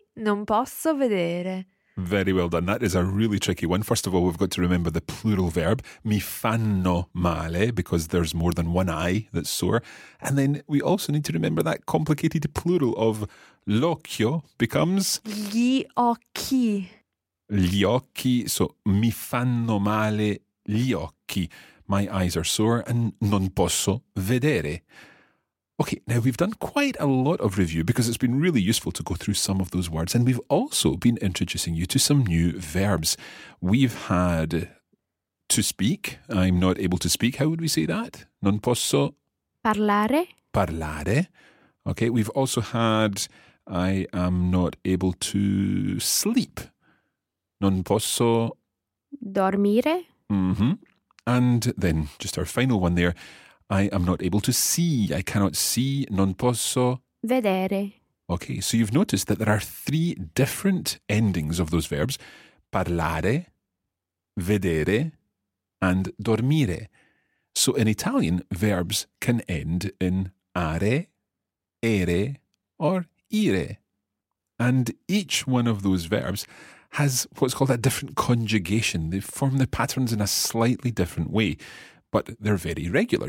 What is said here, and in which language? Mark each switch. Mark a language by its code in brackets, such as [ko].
[it] Non posso vedere. [en] Very well done. That is a really tricky one. First of all, we've got to remember the plural verb, [it] mi fanno male, [en] because there's more than one eye that's sore. And then we also need to remember that complicated plural of l'occhio becomes... [it] Gli occhi. Gli occhi, so mi fanno male gli occhi. [en] My eyes are sore and [it] non posso vedere. [en] Okay, now we've done quite a lot of review because it's been really useful to go through some of those words. And we've also been introducing you to some new verbs. We've had to speak. I'm not able to speak. How would we say that? [it] Non posso... Parlare. Parlare. [en] Okay, we've also had I am not able to sleep. [it] Non posso... Dormire. Mm-hmm. [en] And then just our final one there. I am not able to see. I cannot see. [it] Non posso... Vedere. [en] Okay, so you've noticed that there are three different endings of those verbs. [it] Parlare, vedere, and dormire. [en] So in Italian, verbs can end in are, ere, or ire. And each one of those verbs has what's called a different conjugation. They form the patterns in a slightly different way, but they're very regular.